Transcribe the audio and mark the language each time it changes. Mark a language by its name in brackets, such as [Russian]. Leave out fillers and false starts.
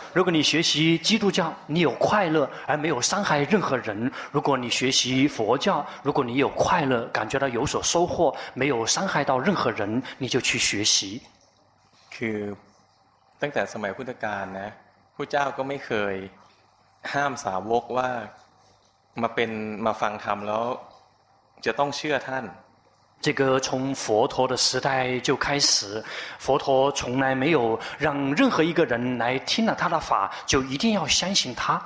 [Chinese] 如果你学习基督教，你有快乐而没有伤害任何人；如果你学习佛教，如果你有快乐，感觉到有所收获，没有伤害到任何人，你就去学习。 [Thai] คือตั้งแต่สมัยพุทธกาลนะพุทธเจ้าก็ไม่เคยห้ามสาวกว่ามาเป็นมาฟังธรรมแล้วจะต้องเชื่อท่าน [Chinese] 这个从佛陀的时代就开始佛陀从来没有让任何一个人来听了他的法就一定要相信他